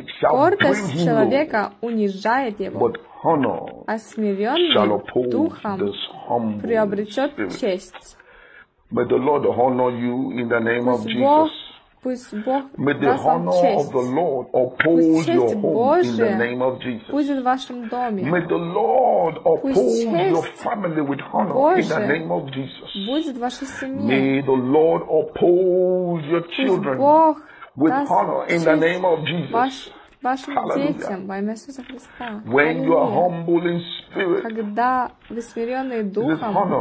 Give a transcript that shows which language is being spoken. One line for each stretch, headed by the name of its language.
Russian: Гордость человека унижает его, а смиренный духом приобретет честь.
English: May the Lord honor you in the name of Jesus. May the honor of the Lord uphold your home in the name of Jesus. May the Lord uphold your family with honor in the name of Jesus. May the Lord uphold your children with honor in the name of Jesus.
Russian: Вашим детям во имя Иисуса Христа.
English: When you are humble in spirit,
Russian: когда вы смиренные духом,